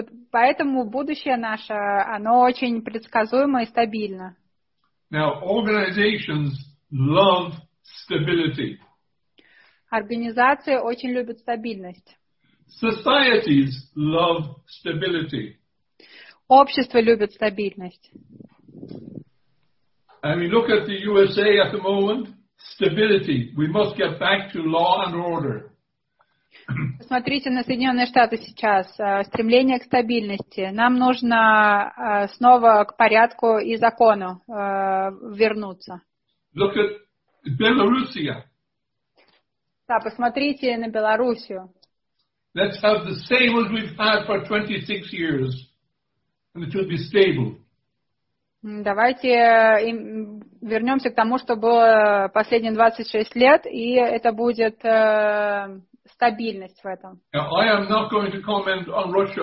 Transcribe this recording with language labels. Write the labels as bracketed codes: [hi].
[ru] Поэтому будущее наше, оно очень предсказуемо и стабильно. [en] Now organizations love stability. [ru] Организации очень любят стабильность. [en] Societies love stability. [ru] Общество любит стабильность. [en] I mean, look at the USA at the moment. Stability. We must get back to law and order. [ru] Смотрите на Соединенные Штаты сейчас. Стремление к стабильности. Нам нужно снова к порядку и закону вернуться. [en] Look at Belarusia. [ru] Да, посмотрите на Белоруссию. [en] Let's have the same as we've had for 26 years, and it will be stable. [ru] Давайте вернемся к тому, что было последние 26 лет, и это будет стабильность в этом. [en] I am not going to comment on Russia.